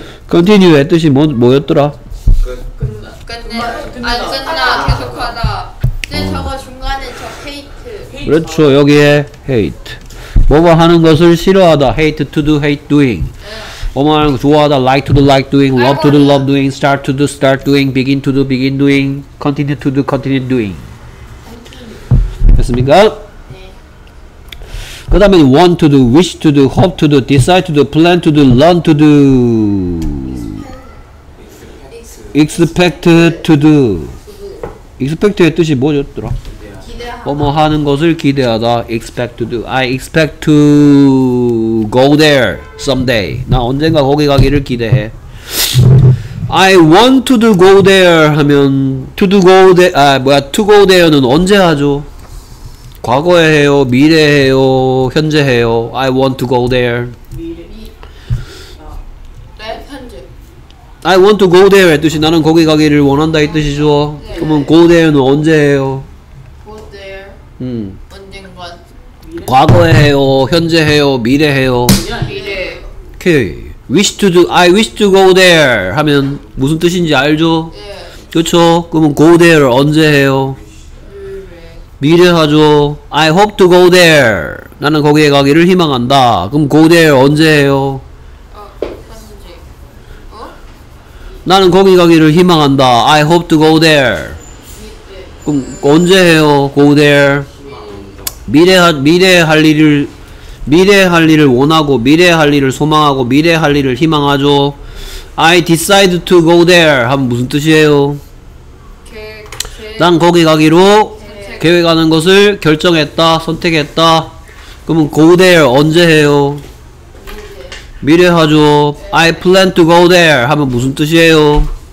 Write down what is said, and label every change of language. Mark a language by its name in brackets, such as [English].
[Korean] continue의 뜻이 뭐였더라? 끝나 계속하다 근데 저거 중간에 저 hate 그렇죠. [English] 여기에 hate [Korean] 뭐뭐 하는 것을 싫어하다 [English] hate to do hate doing [Korean] 뭐뭐 하는 것을 좋아하다 [English] like to do like doing love to do love doing start to do start doing begin to do begin doing continue to do continue doing [Korean] 됐습니까? 네. 그 다음에 [English] want to do, wish to do, hope to do, decide to do, plan to do, learn to do, expect to do. [Korean] expect의 뜻이 뭐였더라? 뭐뭐 하는 것을 기대하다. [English] expect to do. I expect to go there someday. [Korean] 나 언젠가 거기 가기를 기대해. [English] I want to do go there [Korean] 하면 [English] to do go there [Korean] 아 뭐야 [English] to go there는 [Korean] 언제 하죠? 과거에 해요, 미래에 해요, 현재 해요. [English] I want to go there. [Korean] 미래. 내 현재. [English] I want to go there [Korean] 뜻이 나는 거기 가기를 원한다 이 뜻이죠. 네. 그러면 [English] go there [Korean] 는 언제 해요? [English] Go there. [Korean] 언젠가. 과거에 해요, 현재 해요, 미래 해요. 미래. 오케이. [English] Wish to do, I wish to go there [Korean] 하면 무슨 뜻인지 알죠? 예. 그렇죠? 그러면 [English] go there [Korean] 언제 해요? 미래. 미래하죠? [English] I hope to go there. [Korean] 나는 거기에 가기를 희망한다. 그럼 [English] go there [Korean] 언제 해요? 나는 거기 가기를 희망한다. [English] I hope to go there. [Korean] 그럼 언제 해요? [English] go there. [Korean] 미래할 일을 미래할 일을 원하고 미래할 일을 소망하고 미래할 일을 희망하죠. [English] I decide to go there [Korean] 하면 무슨 뜻이에요? 난 거기 가기로 계획하는 것을 결정했다, 선택했다. 그러면 [English] go there [Korean] 언제 해요? 미래하죠. [English] I plan to go there [Korean] 하면 무슨 뜻이에요?